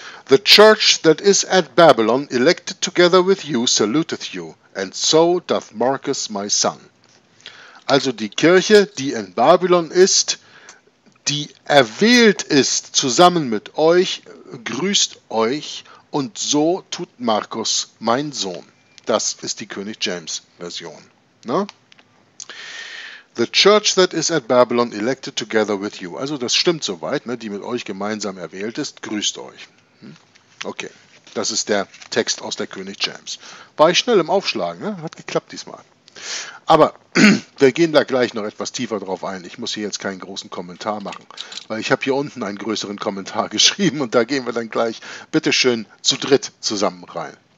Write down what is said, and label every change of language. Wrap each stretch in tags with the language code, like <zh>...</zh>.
<en>The church that is at Babylon, elected together with you, saluteth you, and so doth Marcus, my son.</en> <de>Also die Kirche, die in Babylon ist, die erwählt ist zusammen mit euch, grüßt euch, und so tut Marcus, mein Sohn. Das ist die König James Version. Ne?</de> <en>The church that is at Babylon, elected together with you.</en> <de>Also das stimmt soweit, ne? Die mit euch gemeinsam erwählt ist, grüßt euch. Okay, das ist der Text aus der König James. War ich schnell im Aufschlagen, ne? Hat geklappt diesmal. Aber wir gehen da gleich noch etwas tiefer drauf ein. Ich muss hier jetzt keinen großen Kommentar machen, weil ich habe hier unten einen größeren Kommentar geschrieben und da gehen wir dann gleich bitteschön zu dritt zusammen rein.</de>